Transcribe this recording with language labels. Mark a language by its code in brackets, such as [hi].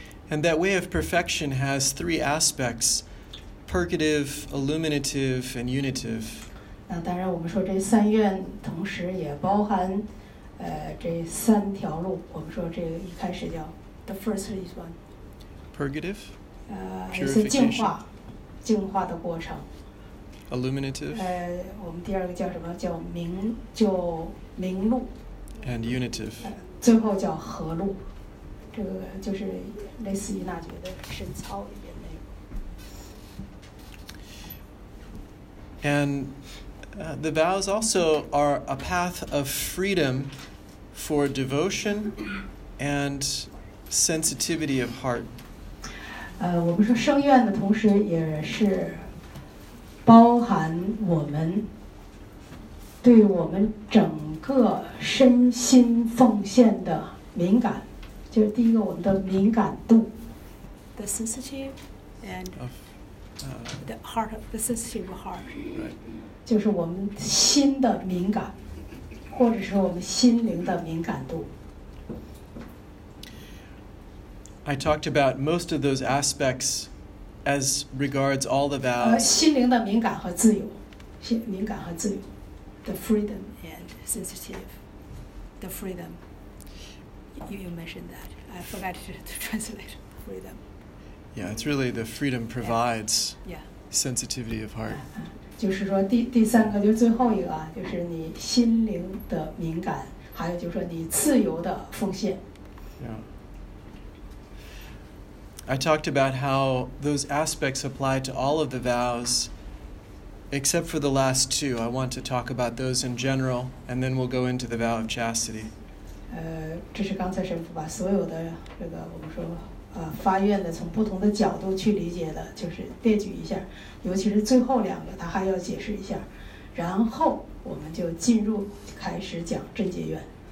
[en] And that way of perfection has three aspects, purgative, illuminative, and unitive. [zh] 那当然我们说这三愿同时也包含这三条路，我们说这一开始叫 [en] the first is one purgative [zh] 一些净化的过程 [en] illuminative [zh] 我们第二个叫什么叫明路 [en] and unitive [zh] 最后叫合路，这个就是类似于那句的神操里面那个。 [en] andthe vows also are a path of freedom for devotion and sensitivity of heart. [zh] 我们说圣愿的同时也是包含我们对我们整个身心奉献的灵感，就是第一个我们的灵感度。 [en] The sensitive and the heart, the sensitive heart. Right. [zh] 就是我们心的敏感，或者是我们心灵的敏感度。 [en] I talked about most of those aspects as regards all the vows. [zh] 心灵的敏感和自由，敏感和自由 ， [en] the freedom and sensitive, the freedom. You mentioned that. I forgot to translate freedom. Yeah, it's really the freedom provides yeah. sensitivity of heart. [zh] 就是说第三个就是最后一个啊，就是你心灵的敏感，还有就是说你自由的奉献。 [en] Yeah. I talked about how those aspects apply to all of the vows, except for the last two. I want to talk about those in general, and then we'll go into the vow of chastity. [zh] 这是刚才神父把所有的这个我们说发愿的从不同的角度去理解的，就是列举一下，尤其是最后两个，他还要解释一下，然后我们就进入开始讲贞洁愿。